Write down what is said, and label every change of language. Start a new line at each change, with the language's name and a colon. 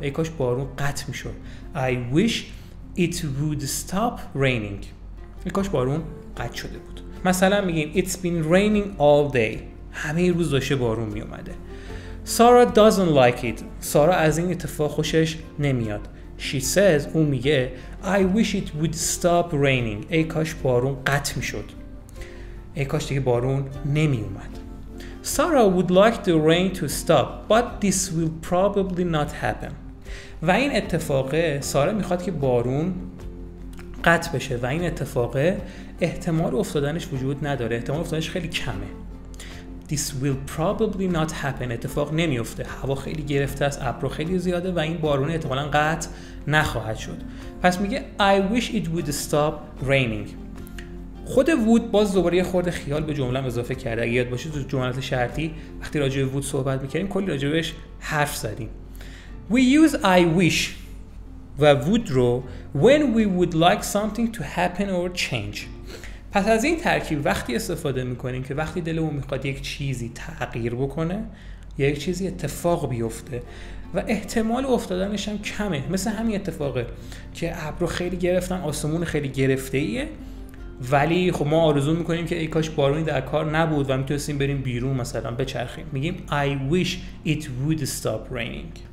Persian: ای کاش بارون قطع میشد.
English: I wish it would stop raining.
Persian: ای کاش بارون قطع شده بود. مثلا میگیم
English: It's been raining all day.
Persian: همه روز داشته بارون میومده.
English: Sarah doesn't like it.
Persian: سارا از این اتفاق خوشش نمیاد.
English: She says،
Persian: اون میگه
English: I wish it would stop raining.
Persian: ای کاش بارون قطع میشد. ای کاش دیگه بارون نمیومد.
English: Sarah would like the rain to stop, but this will probably not happen.
Persian: و این اتفاقه سارا میخواد که بارون قطع بشه و این اتفاقه احتمال افتادنش وجود نداره، احتمال افتادنش خیلی کمه.
English: This will probably not happen،
Persian: اتفاق نمیفته، هوا خیلی گرفته است، ابر خیلی زیاده و این بارون احتمالاً قطع نخواهد شد. پس میگه
English: I wish it would stop raining.
Persian: خود وود باز دوباره یه خورده خیال به جمله اضافه کرده. اگه یاد باشه تو جملات شرطی وقتی راجع به وود صحبت میکردیم کلی راجع بهش حرف زدیم.
English: We use I wish و would رو when we would like something to happen or change.
Persian: پس از این ترکیب وقتی استفاده میکنیم که وقتی دلمون میخواد یک چیزی تغییر بکنه یا یک چیزی اتفاق بیفته و احتمال افتادنش هم کمه، مثل همین اتفاقه که ابرو خیلی گرفتن، آسمون خیلی گرفته ایه، ولی خب ما آرزو میکنیم که ای کاش بارونی در کار نبود و میتونستیم بریم بیرون مثلا بچرخیم، میگیم
English: I wish it would stop raining.